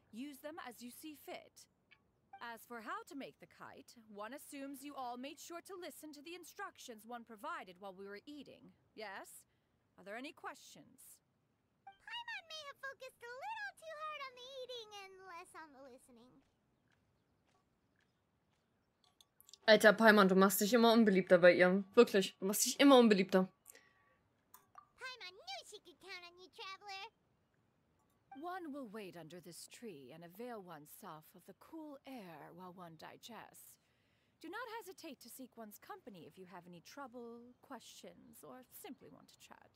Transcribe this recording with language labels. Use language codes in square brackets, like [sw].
[en] Use them as you see fit. As for how to make the kite, one assumes you all made sure to listen to the instructions one provided while we were eating. Yes? Are there any questions? Paimon may have focused a little too hard on the eating and less on the listening. [de] Alter, Paimon, du machst dich immer unbeliebter bei ihr. Wirklich, du machst dich immer unbeliebter. [en] Paimon knew she could count on you, traveler. One will wait under this tree and avail oneself of the cool air while one digests. Do not hesitate to seek one's company if you have any trouble, questions, or simply want to chat.